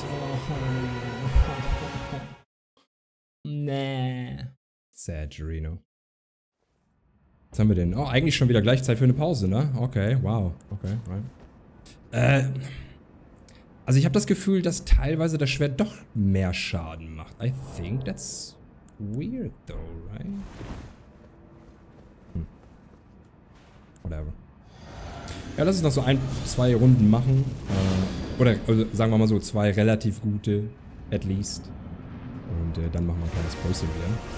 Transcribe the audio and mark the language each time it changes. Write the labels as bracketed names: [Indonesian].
[German] Oh. Nee. Sad, Gerino. Was haben wir denn? Oh, eigentlich schon wieder gleichzeitig für eine Pause, ne? Okay, wow. Okay, right. Also ich habe das Gefühl, dass teilweise das Schwert doch mehr Schaden macht. [English] I think that's weird though, right? Hm. Whatever. [German] Ja, lass uns noch so ein, zwei Runden machen. Oder also sagen wir mal so zwei relativ gute, [English] at least. [German] Und dann machen wir ein kleines Päuschen wieder.